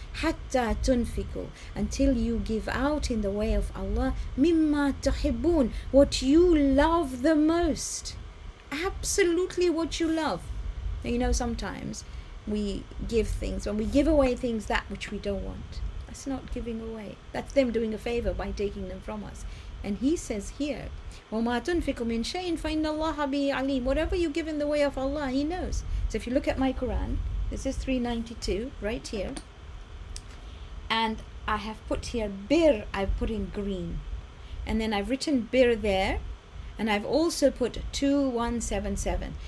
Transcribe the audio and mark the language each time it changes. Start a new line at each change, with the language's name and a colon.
Arabic: Hatta tunfiku,
English: until you give out in the way of Allah,
Arabic: mimma tuhibbun,
English: what you love the most. Absolutely what you love. Now, you know, sometimes we give things, when we give away things, that which we don't want. That's not giving away. That's them doing a favor by taking them from us.
Arabic: And he says here, وَمَا تُنْفِقُ مِنْ شَيْءٍ فَإِنَّ اللَّهَ بِهِ عَلِيمٌ.
English: Whatever you give in the way of Allah, he knows. So if you look at my Quran, this is 392, right here. And I have put here, bir, I've put in green. And then I've written bir there. And I've also put 2177.